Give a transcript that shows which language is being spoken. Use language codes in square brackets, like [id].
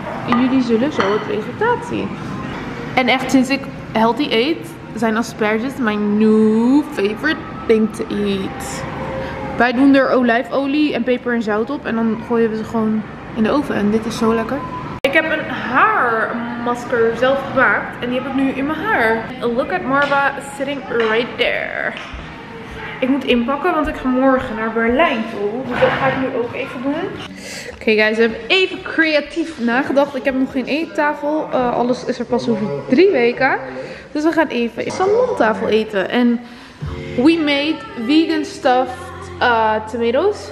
[nl] En jullie zullen zo het resultaat zien. En echt, sinds ik healthy eet, zijn asperges mijn [en] new favorite thing to eat. [nl] Wij doen er olijfolie en peper en zout op. En dan gooien we ze gewoon in de oven. En dit is zo lekker. Ik heb een haarmasker zelf gemaakt. En die heb ik nu in mijn haar. [en] Look at Marva sitting right there. [nl] Ik moet inpakken, want ik ga morgen naar Berlijn toe. Dus dat ga ik nu ook even doen. Oké, guys, we hebben even creatief nagedacht. Ik heb nog geen eettafel. Alles is er pas over 3 weken. Dus we gaan even een salontafel eten. [en] En we made vegan stuff. Tomatoes.